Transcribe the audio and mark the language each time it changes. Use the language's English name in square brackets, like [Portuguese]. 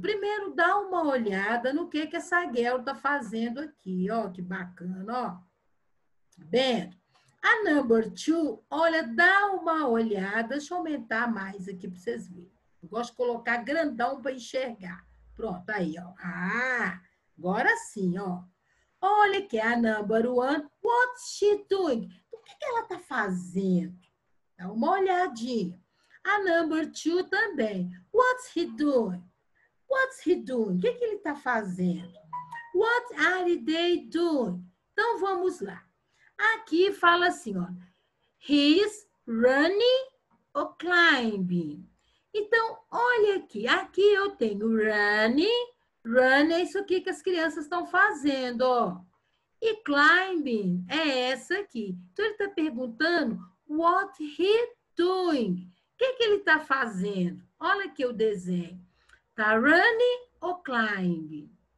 [Portuguese] Primeiro, dá uma olhada no que essa girl está fazendo aqui, ó. Que bacana, ó. Bem. A number 2, olha, dá uma olhada. Deixa eu aumentar mais aqui para vocês verem. Eu gosto de colocar grandão para enxergar. Pronto, aí, ó. Ah, agora sim, ó. Olha que a [English] number 1, what's she doing? [Portuguese] O que ela tá fazendo? Dá uma olhadinha. [English] A number 2 também. What's he doing? What's he doing? [Portuguese] O que ele tá fazendo? [English] What are they doing? [Portuguese] Então, vamos lá. Aqui fala assim, ó, [English] he's running or climbing. [Portuguese] Então, olha aqui, eu tenho running, é isso aqui que as crianças estão fazendo, ó. E climbing é essa aqui. Então, ele está perguntando, [English] what he doing? [Portuguese] O que ele está fazendo? Olha aqui o desenho, tá [English] running or climbing?